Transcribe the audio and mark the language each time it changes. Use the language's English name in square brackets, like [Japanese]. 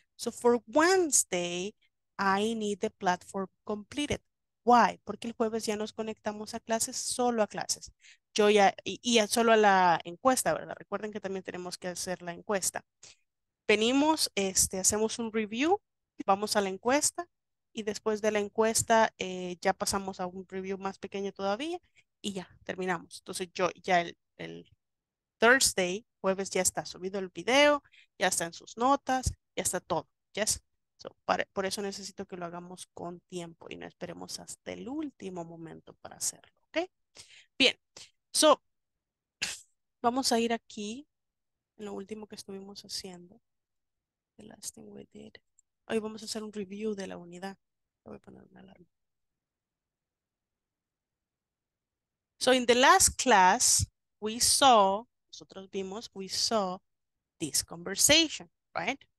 [English] So for Wednesday, I need the platform completed. Why? [Spanish] Porque el jueves ya nos conectamos a clases, solo a clases. Yo ya, y solo a la encuesta, ¿verdad? Recuerden que también tenemos que hacer la encuesta. Venimos, hacemos un review, vamos a la encuesta, y después de la encuesta ya pasamos a un review más pequeño todavía, y ya, terminamos. Entonces yo ya el Thursday, jueves, ya está subido el video, ya está en sus notas, ya está todo, ¿yes? So, por eso necesito que lo hagamos con tiempo y no esperemos hasta el último momento para hacerlo, ¿ok? Bien, so, vamos a ir aquí en lo último que estuvimos haciendo. [English] The last thing we did. [Spanish] Hoy vamos a hacer un review de la unidad. Voy a poner una alarma. [English] So, in the last class, we saw this conversation, right?